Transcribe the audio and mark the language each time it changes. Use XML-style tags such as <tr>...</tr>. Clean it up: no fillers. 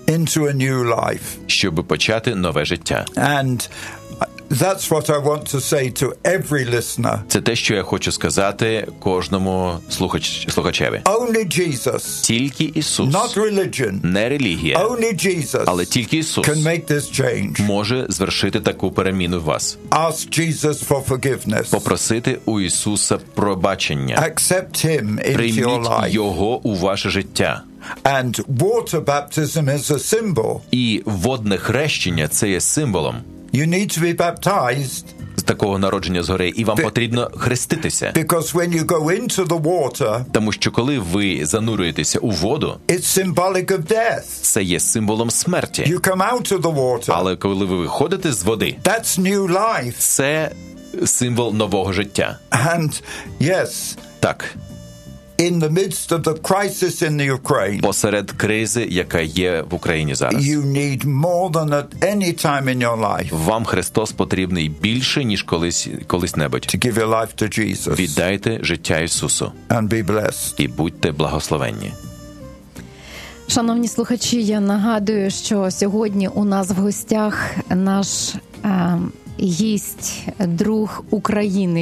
<en>Into a new life.</en> <uk>Щоб почати нове життя.</uk> <en>And that's what I want to say to every listener.</en> <uk>Це те, що я хочу сказати кожному слухачеві.</uk> <en>Only Jesus.</en> <uk>Тільки Ісус.</uk> <en>Not religion.</en> <uk>Не релігія.</uk> <en>Only Jesus.</en> <uk>Але тільки Ісус.</uk> <en>Can make this change.</en> <uk>Може звершити таку переміну в вас.</uk> <en>Ask Jesus for forgiveness.</en> <uk>Попросити у Ісуса пробачення.</uk> <en>Accept him into your life.</en> <uk>Прийміть його у ваше життя.</uk> <en>And water baptism is a symbol.</en> <uk>І водне хрещення це є символом.</uk> <en>You need to be baptized.</en> <uk>такого народження згори, і вам потрібно хреститися.</uk> <en>Because when you go into the water,</en> <uk>тому що коли ви занурюєтеся у воду,</uk> <en>it's symbolic of death.</en> <uk>Це є символом смерті.</uk> <en>You come out of the water.</en> <uk>Але коли ви виходите з води,</uk> <en>that's new life.</en> <uk>Це символ нового життя.</uk> <en>And yes.</en> <uk>Так.</uk> <en>In the midst of the crisis in the Ukraine.</en> <uk>Посеред кризи, яка є в Україні зараз.</uk> <en>You need more than at any time in your life.</en> <uk>Вам Христос потрібний більше, ніж колись-небудь.</uk> <en>To give your life to Jesus.</en> <uk>Віддайте життя Ісусу.</uk> <en>And be blessed.</en> <uk>І будьте благословенні. Шановні слухачі, я нагадую, що сьогодні у нас в гостях наш гість, друг України.</uk>